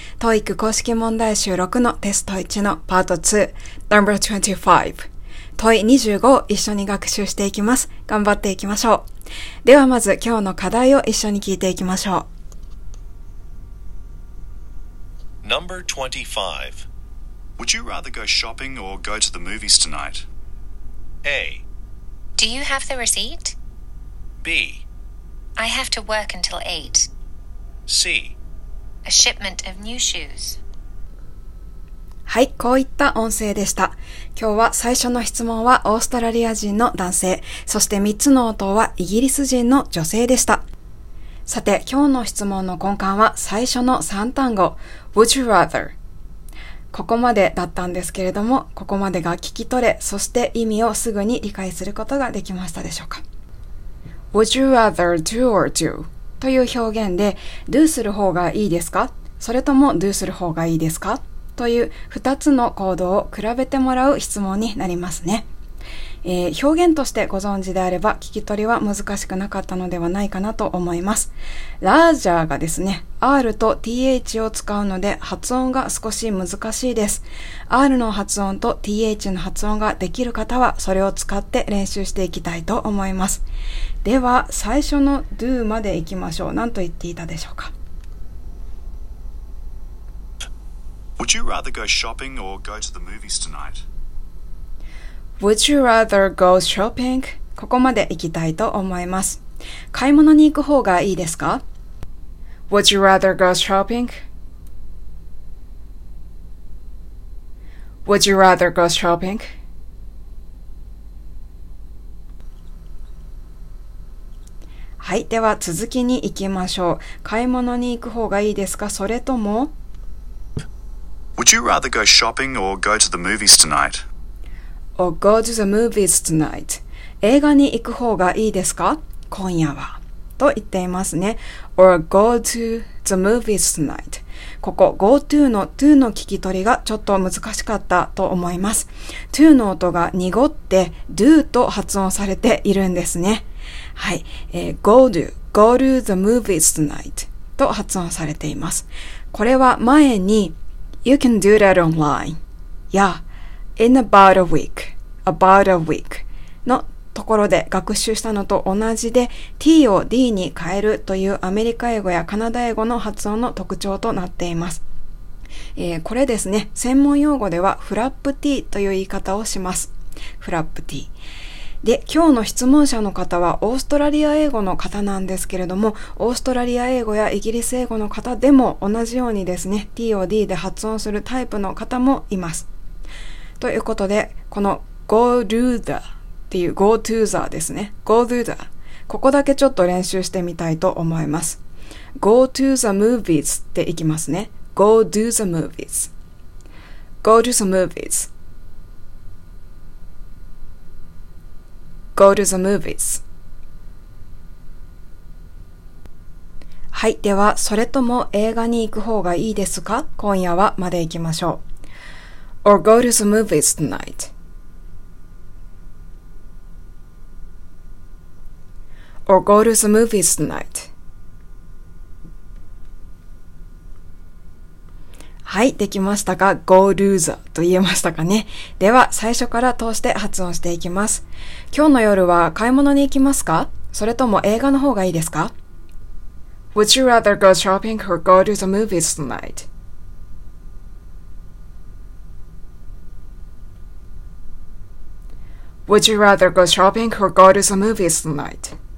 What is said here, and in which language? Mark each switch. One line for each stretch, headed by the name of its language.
Japanese: TOEIC 公式問題集6のテスト1のパート2 No.25 TOEIC25 を一緒に学習していきます。頑張っていきましょう。ではまず今日の課題を一緒に聞いていきましょう。
English: No.25 Would you rather go shopping or go to the movies tonight? A. Do you have the receipt? B. I have to work until 8. C. A shipment of new shoes.
Japanese: はい、こういった音声でした。今日は最初の質問はオーストラリア人の男性、そして3つの音はイギリス人の女性でした。さて、今日の質問の根幹は最初の3単語、
English: Would you rather?
Japanese: ここまでだったんですけれども、ここまでが聞き取れ、そして意味をすぐに理解することができましたでしょうか。
English: Would you rather do or do?
Japanese: という表現で、do する方がいいですか?それとも do する方がいいですか? という2つの行動を比べてもらう質問になりますね。表現としてご存知であれば、聞き取りは難しくなかったのではないかなと思います。 larger がですね、r と th を使うので発音が少し難しいです。 r の発音と th の発音ができる方は、それを使って練習していきたいと思います。では、最初の do まで行きましょう。何と言っていたでしょうか。
English: Would you rather go shopping or go to the movies tonight? Would you rather go shopping?
Japanese: ここまで行きたいと思います。買い物に行く方がいいですか?
English: Would you rather go shopping? Would you rather go shopping?
Japanese: はい、では続きに行きましょう。買い物に行く方がいいですか? それとも?
English: Would you rather go shopping or go to the movies tonight? Or go to the movies tonight.
Japanese: 映画に行く方がいいですか? 今夜は。と言っていますね。
English: Or go to the movies tonight.
Japanese: ここ、go to の to の聞き取りがちょっと難しかったと思います。 to の音が濁って do と発音されているんですね。はい。
English: go to the movies tonight.
Japanese: と発音されています。これは前に
English: you can do that online.
Japanese: や、
English: In about a week, about a week
Japanese: のところで学習したのと同じで T を D に変えるというアメリカ英語やカナダ英語の発音の特徴となっています。これですね、専門用語ではフラップ T という言い方をします。フラップ T。で、今日の質問者の方はオーストラリア英語の方なんですけれども、オーストラリア英語やイギリス英語の方でも同じようにですね、T を D で発音するタイプの方もいます。ということで、この
English: go to the っていう go to the ですね。 go to the
Japanese: ここだけちょっと練習してみたいと思います。
English: go to the movies
Japanese: っていきますね。
English: go to the movies。 go to the movies。 go to the movies。
Japanese: はい、では、それとも映画に行く方がいいですか? 今夜はまで行きましょう。
English: Or go to the movies tonight. Or go to the movies tonight.
Japanese: はい、できましたか? Go loser と言えましたかね。では、最初から通して発音していきます。今日の夜は買い物に行きますか?それとも映画の方がいいですか?
English: Would you rather go shopping or go to the movies tonight? Would you rather go shopping or go to the movies tonight?